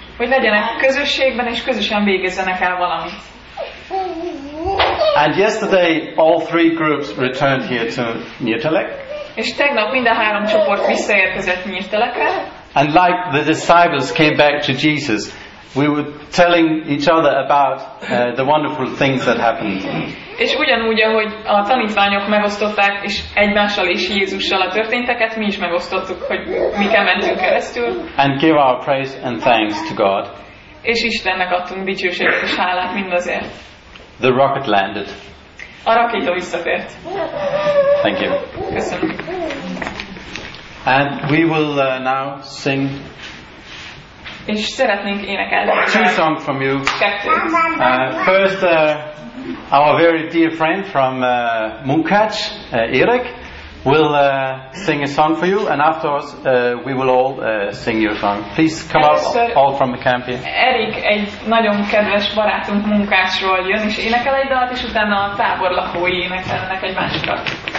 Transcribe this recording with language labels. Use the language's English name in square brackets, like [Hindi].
[Hungarian] Hogy legyenek közösségben és közösen végezzenek el valamit. [English] And yesterday all three groups returned here to Nyírtelek. [Hungarian] És tegnap mind a három csoport visszaérkezett Nyírtelekre. [English] And like the disciples came back to Jesus, we were telling each other about the wonderful things that happened. [Hungarian] És ugyanúgy, ahogy a tanítványok megosztották, és egymással és Jézussal a történteket, mi is megosztottuk, hogy miken mentünk keresztül. [English] And give our praise and thanks to God. [Hungarian] És Istennek adtunk dicsőséget és hálát mindazért. [English] The rocket landed. [Hungarian] A rakéta visszatért. [English] Thank you. [Hungarian] Köszönöm. [English] And we will now sing. [Hungarian] És szeretnénk énekelni. [English] Two songs from you. [Hungarian] Kettő. [English] First, our very dear friend from Munkács, Erik, will sing a song for you, and afterwards we will all sing your song. Please come up, all from the camp here. [Hungarian] Erik egy nagyon kedves barátunk Munkácsról jön, és énekel egy dalt, és utána a tábor lakói énekelnek egy másikat.